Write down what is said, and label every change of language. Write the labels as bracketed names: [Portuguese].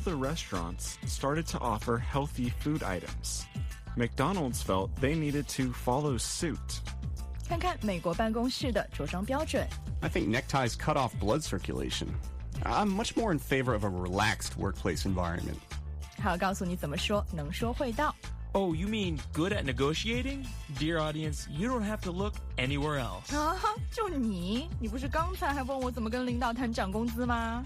[English] the restaurants started to offer healthy food items. McDonald's felt they needed to follow suit. [Chinese] 看看美国办公室的着装标准。 [English] I think neckties cut off blood circulation. I'm much more in favor of a relaxed workplace environment. [Chinese] 好，告诉你怎么说，能说会道。 [English] Oh, you mean good at negotiating? Dear audience, you don't have to look anywhere else. [Chinese] 啊，就你？你不是刚才还问我怎么跟领导谈涨工资吗？